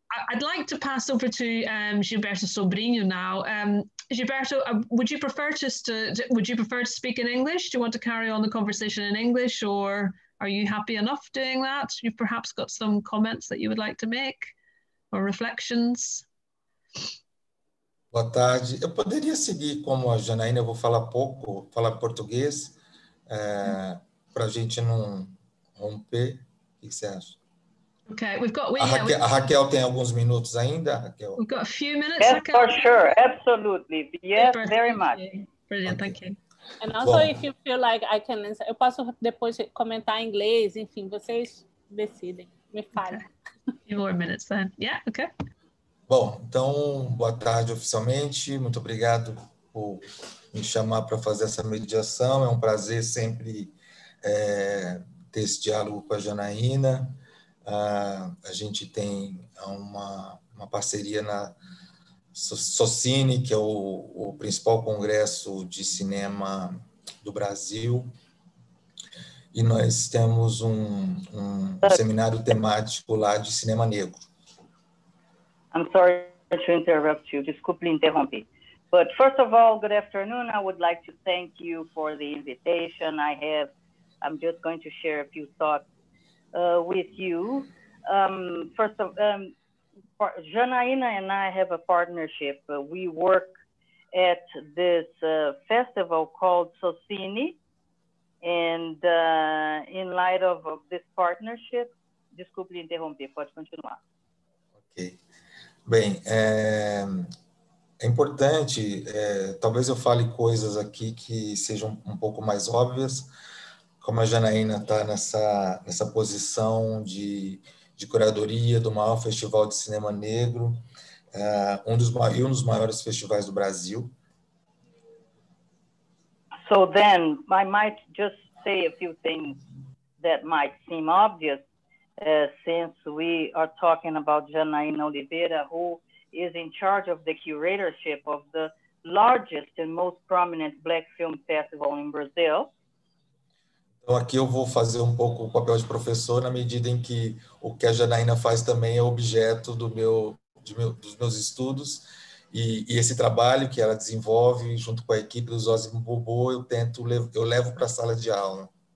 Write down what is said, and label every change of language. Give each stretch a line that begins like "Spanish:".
English: I'd like to pass over to Gilberto Sobrinho now. Gilberto, would you prefer to speak in English? Do you want to carry on the conversation in English, or are you happy enough doing that? You've perhaps got some comments that you would like to make or reflections.
Portuguese: Boa tarde. Eu poderia seguir como a Janaína, eu vou falar pouco, falar português, para a gente não romper. O que você acha?
English: Okay, we've got...
Portuguese: Raquel tem alguns minutos ainda, Raquel?
English: We've got a few minutes, yes, Raquel. For sure, absolutely. Yes, very much. Brilliant, okay. Thank you. And also, bom, if you feel like I can...
Portuguese: Eu posso depois comentar em inglês, enfim, vocês decidem, me falem.
English: Okay. A few more minutes then. Yeah, okay.
Portuguese: Bom, então, boa tarde oficialmente. Muito obrigado por me chamar para fazer essa mediação. É um prazer sempre ter esse diálogo com a Janaína. A gente tem uma parceria na Socine, que é o principal congresso de cinema do Brasil, e nós temos um seminário temático lá de cinema negro.
English: I'm sorry to interrupt you.
Portuguese: Desculpe interromper.
English: But first of all, good afternoon. I would like to thank you for the invitation. I'm just going to share a few thoughts with you. First of Janaina and I have a partnership. We work at this festival called Socine, and in light of this partnership,
Portuguese: desculpe interromper, pode continuar.
English: Ok.
Portuguese: Bem, é importante, talvez eu fale coisas aqui que sejam um pouco mais óbvias, como a Janaína está nessa posição de curadoria do maior festival de cinema negro, um dos maiores festivais do Brasil.
English: So then, I might just say a few things that might seem obvious, since we are talking about Janaína Oliveira, who is in charge of the curatorship of the largest and most prominent Black Film Festival in Brazil.
Portuguese: Então, aqui eu vou fazer um pouco o papel de professor na medida em que o que a Janaína faz também é objeto dos meus estudos e esse trabalho que ela desenvolve junto com a equipe do Zozimo Bulbul, eu levo para a sala de aula.